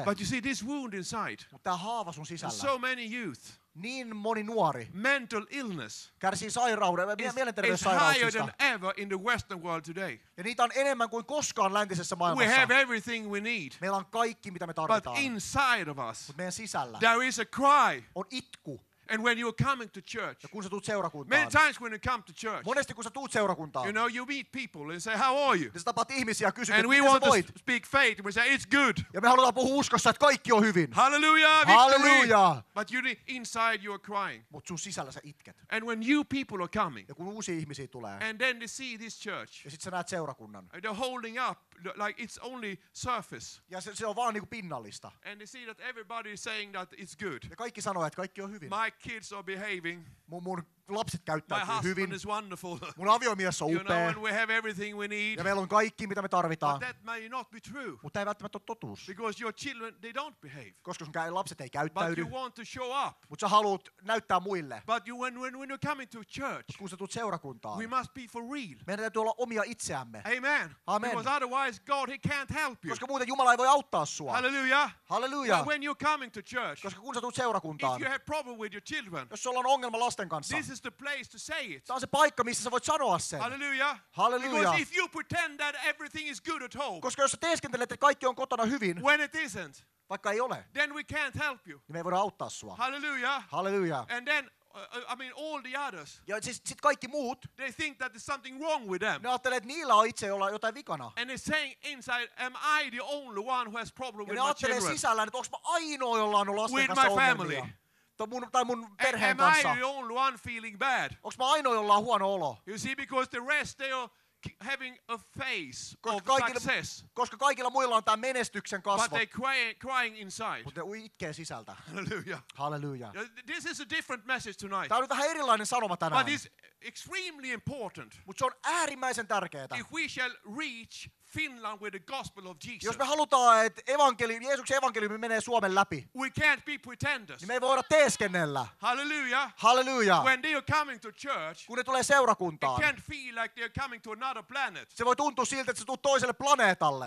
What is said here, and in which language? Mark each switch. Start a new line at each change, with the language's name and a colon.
English: But you see this wound inside.
Finnish: Tää haava sun sisällä.
English: So many youth.
Finnish: Niin moni nuori.
English: Mental illness.
Finnish: Kärsii sairauden, mielenterveyssairauksista.
English: It's higher than ever in the Western world today.
Finnish: Ja niitä on enemmän kuin koskaan läntisessä maailmassa.
English: We have everything we need.
Finnish: Meillä on kaikki mitä me tarvitaan.
English: But inside of us.
Finnish: Mut meidän sisällä.
English: There is a cry.
Finnish: On itku.
English: And when you're coming to church,
Finnish: ja kun sä tuut seurakuntaan,
English: many times when you come to church,
Finnish: monesti kun sä tuut seurakuntaan,
English: you know, you meet people and say, how are you?
Finnish: Ja sä tapaat ihmisiä ja kysyt,
English: and we want to speak faith. We say, it's good.
Finnish: Ja me halutaan puhua uskossa, että kaikki on hyvin. Hallelujah,
English: victory. Hallelujah. But you need, inside you're crying.
Finnish: Mut sun sisällä sä itket.
English: And when new people are coming,
Finnish: ja kun uusia ihmisiä tulee,
English: and then they see this church,
Finnish: ja sit sä näet seurakunnan,
English: they're holding up like it's only surface.
Finnish: Ja se on vaan niinku pinnallista.
English: And they see that everybody is saying that it's good.
Finnish: Ja kaikki sanoo, että kaikki on hyvin.
English: My kids are behaving.
Finnish: Mun lapset käyttäytyy hyvin.
English: Is wonderful.
Finnish: Mun aviomies on upea.
English: You know, we have everything we need.
Finnish: Ja meillä on kaikki mitä me tarvitaan.
English: But that may not be true.
Finnish: Mutta ei välttämättä ole totuus.
English: Because your children, they don't behave.
Finnish: Koska sun lapset ei käyttäydy.
English: But you want to show up.
Finnish: Mut sä haluut näyttää muille.
English: But you, when you're coming to church,
Finnish: kun sä tuut seurakuntaan,
English: we must be for real.
Finnish: Meidän täytyy olla omia itseämme. Amen. Amen.
English: Because otherwise God, he can't help you.
Finnish: Koska muuten Jumala ei voi auttaa sua. Hallelujah. Hallelujah.
English: When you're coming to church,
Finnish: koska kun sä tuut seurakuntaan,
English: if you have problem with your children,
Finnish: jos sulla on ongelma lasten kanssa,
English: this is the place to say it.
Finnish: Tämä on se paikka, missä sä voit sanoa sen. Hallelujah. Hallelujah.
English: Because if you pretend that everything is good at home,
Finnish: koska jos sä teeskentelet, että kaikki on kotona hyvin,
English: when it isn't,
Finnish: vaikka ei ole,
English: then we can't help you.
Finnish: Niin me ei voida auttaa sua. Hallelujah. Hallelujah.
English: And then, I mean, all the others.
Finnish: Ja sit kaikki muut,
English: they think that there's something wrong with them.
Finnish: Ne ajattelee, että niillä on itse jotain vikana.
English: And they're saying inside, am I the only one who has problem with my children?
Finnish: Ja ne ajattelee sisällään, että onks mä ainoa, jolla on lasten kanssa ongelmia. Tai mun perheen
English: am
Finnish: kanssa.
English: Am I the only one feeling bad?
Finnish: Onks mä ainoa, jolla on huono olo?
English: You see, because the rest, they are having a face of
Finnish: kaikilla,
English: success.
Finnish: Koska kaikilla muilla on tää menestyksen kasvo.
English: But they're crying inside.
Finnish: Mut ne itkee sisältä. Hallelujah. Hallelujah.
English: This is a different message tonight.
Finnish: Tää on vähän erilainen sanoma tänään.
English: But it's extremely important.
Finnish: Mut se on äärimmäisen tärkeetä.
English: If we shall reach Finland with the gospel of Jesus.
Finnish: Jos me halutaan, että evankeliumi, Jeesuksen evankeliumi menee Suomen läpi.
English: We can't be pretenders.
Finnish: Niin me ei voida teeskennellä. Hallelujah. Hallelujah.
English: When they are coming to church.
Finnish: Kun ne tulee seurakuntaan.
English: It can't feel like they are coming to another planet.
Finnish: Se voi tuntua siltä, että se tulee toiselle planeetalle.